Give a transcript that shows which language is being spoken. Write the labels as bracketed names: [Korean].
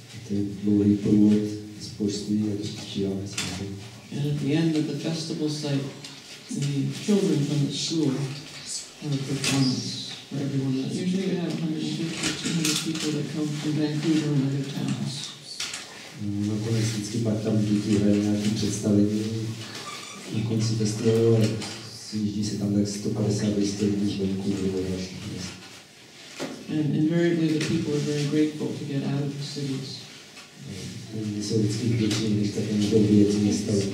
[English] And at the end of the festival site, the children from the school have a performance for everyone. Usually you have 150 or 200 people that come from Vancouver and other towns. [Czech] No konec vždycky pak tam děti hrají nějaké představení. Na konci festivalu sjíždí se tam tak 150-200 lidí z Vancouveru do našich měst. [English] And invariably the people are very grateful to get out of the cities. [Czech] Lidi jsou vždycky vděční, když tak jen jdou vyjet z města.